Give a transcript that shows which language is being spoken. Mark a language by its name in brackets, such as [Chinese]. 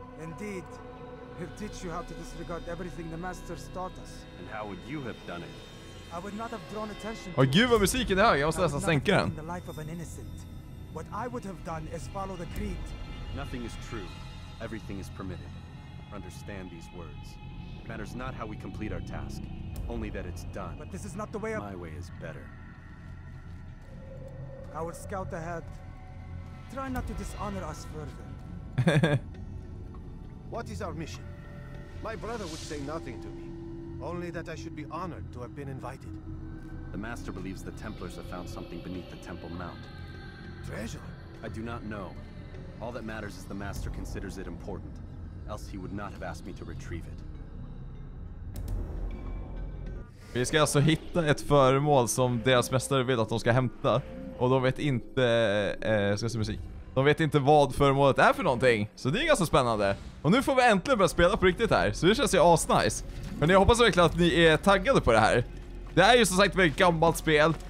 [English] Indeed, he'll teach you how to disregard everything the masters taught us. And how would you have done it? I would not have drawn attention. [Swedish] Åh gud, vad musiken är hög. Jag måste nästan sänka den. [English] The life of an innocent. What I would have done is follow the creed. Nothing is true. Everything is permitted. Understand these words. It matters not how we complete our task, only that it's done. But this is not the way. My way is better. I will scout ahead. Try not to dishonor us further. What is our mission? My brother would say nothing to me. Only that I should be honored to have been invited. The master believes the Templars have found something beneath the Temple Mount. Treasure? I do not know. All that matters is the master considers it important. Else he would not have asked me to retrieve it. [Swedish] Vi ska alltså hitta ett föremål som deras mästare vill att de ska hämta. Och de vet inte... ska se musik. De vet inte vad föremålet är för någonting. Så det är ganska spännande. Och nu får vi äntligen börja spela på riktigt här. Så det känns ju asnice. Men jag hoppas verkligen att ni är taggade på det här. Det här är ju som sagt ett väldigt gammalt spel.